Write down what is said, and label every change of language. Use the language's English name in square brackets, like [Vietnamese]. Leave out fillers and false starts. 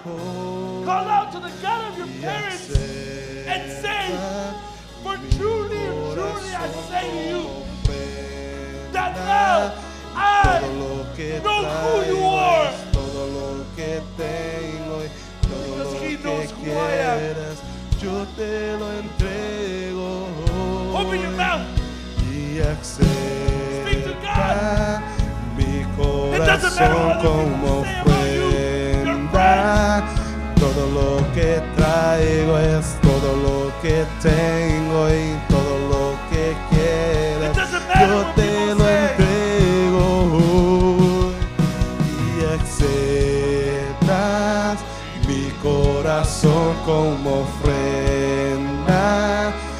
[English] Call out to the God of your parents and say, for truly, truly I say to you that now I know who you are. [Spanish] Todo lo que tengo y todo lo que quieras, yo te lo entrego. [English] Open your mouth. [Spanish] Y accepta. [English] Speak to God. [Spanish] corazón como ofrenda. Todo lo que traigo es todo lo que tengo y todo lo que quieras. Yo te lo entrego y aceptas mi corazón como ofrenda.